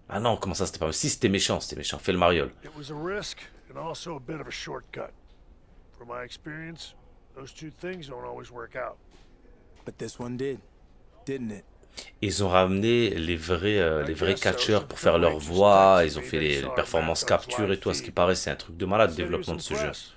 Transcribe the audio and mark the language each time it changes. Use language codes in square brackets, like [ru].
[fr] Ah non, comment ça, c'était pas... Si, c'était méchant, fais le mariole. [en] It was a risk, and also a bit of a shortcut. From my experience, those two things don't always work out. But this one did, didn't it? [fr] Ils ont ramené les vrais catcheurs pour faire leur voix, ils ont fait les performances capture et tout, à ce qui paraît, c'est un truc de malade, le développement de ce jeu.